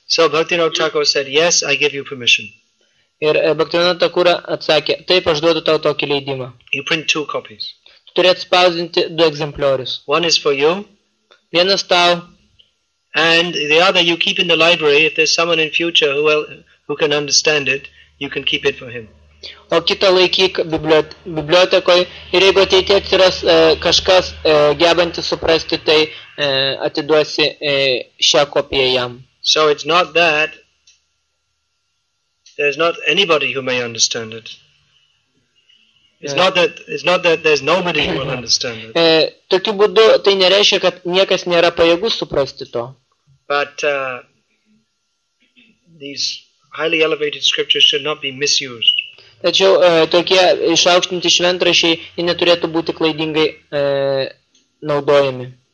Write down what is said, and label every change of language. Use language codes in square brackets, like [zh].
[en] So Bhaktivinoda Thakur said, yes, I give you permission. [lt] Ir Bhaktivinoda Thakura atsakė, taip, aš duodu tau tokį leidimą. [en] You print two copies. [lt] Turėt spausdinti du egzempliorius. [en] One is for you. [lt] Vienas tau. [en] And the other you keep in the library. If there's someone in future who can understand it, you can keep it for him. [lt] O kitą laikyk bibliotekoj. Ir jeigu ateitie atsiras kažkas gebantį suprasti, tai atiduosi šią kopiją jam. [en] So it's not that there's not anybody who may understand it. It's not that there's nobody who will understand it. [lt] Tokiu būdu tai nereiškia, kad niekas nėra pajėgus suprasti to. [en] But these highly elevated scriptures should not be misused. [lt] Tačiau tokie išaukštinti šventrašiai neturėtų būti klaidingai naudojami.